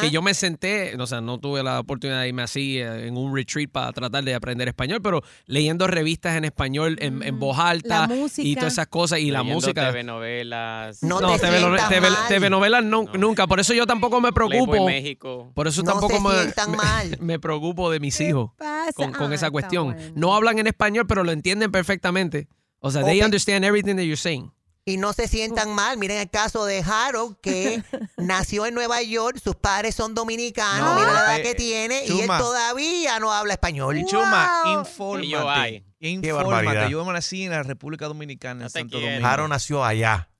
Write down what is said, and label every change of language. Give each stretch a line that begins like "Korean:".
Spanish: Que yo me senté, o sea, no tuve la oportunidad de irme así en un retreat para tratar de aprender español, pero leyendo revistas en español en voz alta y todas esas cosas y leyendo la música. Telenovelas. No, telenovelas nunca. Por eso yo tampoco me preocupo. Playboy México. Por eso tampoco me preocupo de mis hijos con esa cuestión. Bueno. No hablan en español, pero lo entienden perfectamente. O sea,
English: they understand everything that you're saying.
Spanish: Y no se sientan mal. Miren el caso de Harold, que nació en Nueva York. Sus padres son dominicanos. No, mira la edad que tiene. Chuma. Y él todavía no habla español. Chuma, infórmate. Wow. Qué barbaridad. Yo nací en la República Dominicana, en Santo Domingo. Harold nació allá.